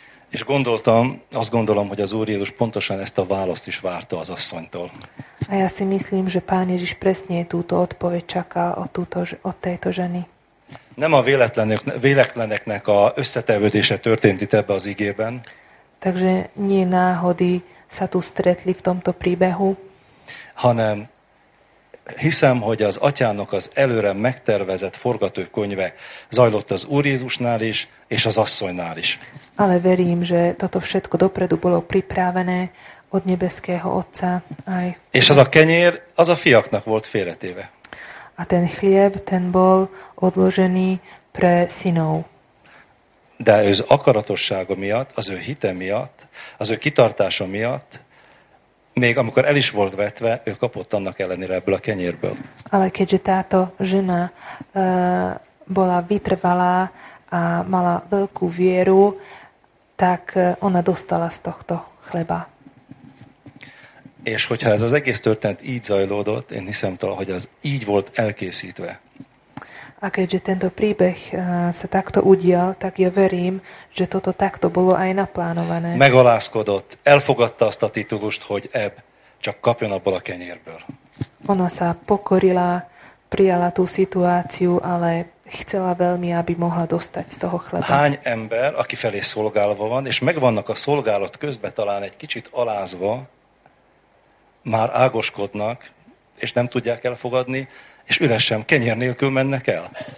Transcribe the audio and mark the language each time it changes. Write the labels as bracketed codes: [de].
[hu] És gondoltam, azt gondolom, hogy az Úr Jézus pontosan ezt a választ is várta az asszonytól. [sk] A ja si myslím, že Pán Ježiš presne túto odpoveď čakal od tejto ženy. [hu] Nem a véletleneknek a összetevődése történt itt ebbe az igében. [sk] Takže nie náhody sa tu stretli v tomto príbehu. [hu] Hanem hiszem, hogy az atyának az előre megtervezett forgatókönyve zajlott az Úr Jézusnál is, és az asszonynál is. [sk] Ale verím, že toto všetko dopredu bolo pripravené od nebeského Otca. Aj. [hu] És az a kenyér, az a fiaknak volt félretéve. [sk] A ten chlieb, ten bol odložený pre synov. [hu] De az akaratossága miatt, az ő hite miatt, az ő kitartása miatt, még amikor el is volt vetve, ő kapott annak ellenére ebből a kenyérből. [sk] Ale keďže táto žena bola vytrvalá a mala veľkú vieru, tak ona dostala z tohto chleba. [hu] És hogyha ez az egész történet így zajlódott, én hiszem talán, hogy az így volt elkészítve. [sk] A keďže tento príbeh sa takto udial, tak ja verím, že toto takto bolo aj naplánované. [hu] Megalázkodott, elfogadta azt a titulust, hogy Eb, csak kapjon abból a kenyérből. [sk] Ona sa pokorila, prijala tú situáciu, ale chcela veľmi, aby mohla dostať z toho chleba. [hu] Hány ember, aki felé szolgálva van, és megvannak a szolgálat közben talán egy kicsit alázva, már ágoskodnak, és nem tudják elfogadni, és üresen, kenyér nélkül mennek el?